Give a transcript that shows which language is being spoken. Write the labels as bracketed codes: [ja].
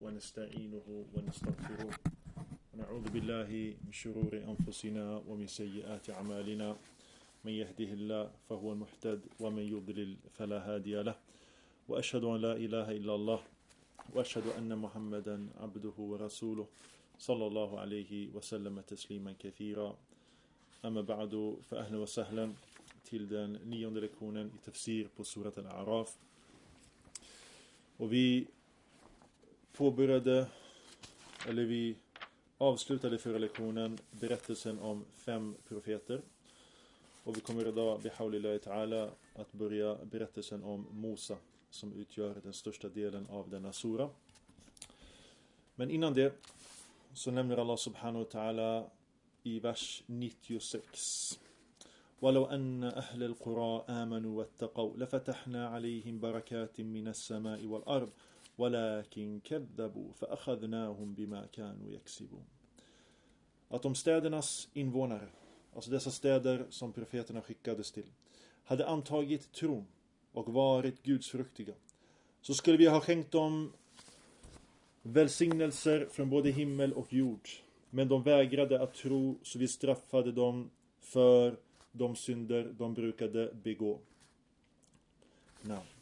[ar] ونستعينه ونستغفره ونعوذ بالله من شرور أنفسنا ومن سيئات أعمالنا من يهده الله فهو المهتد ومن يضلل فلا هادي له وأشهد أن لا إله إلا الله وأشهد أن محمدا عبده ورسوله صلى الله عليه وسلم تسليما كثيرا أما بعد فأهلا وسهلا [sv] till den nionde lektionen i tafsir på surat al-Araf. Och vi påbörjade, eller vi avslutade förra lektionen, berättelsen om fem profeter. Och vi kommer idag, bihawlillahi ta'ala, att börja berättelsen om Mosa, som utgör den största delen av denna sura. Men innan det så nämner Allah subhanahu wa ta'ala i vers 96: [ar] ولو أن أهل القرى آمنوا واتقوا لفتحنا عليهم بركات من السماء والأرض ولكن كذبوا فأخذناهم بما كانوا يكسبون. [sv] Att om städernas invånare, alltså dessa städer som profeterna skickades till, hade antagit tron och varit gudsfruktiga, så skulle vi ha skänkt dem välsignelser från både himmel och jord. Men de vägrade att tro, så vi straffade dem för de synder de brukade begå. [en] Now.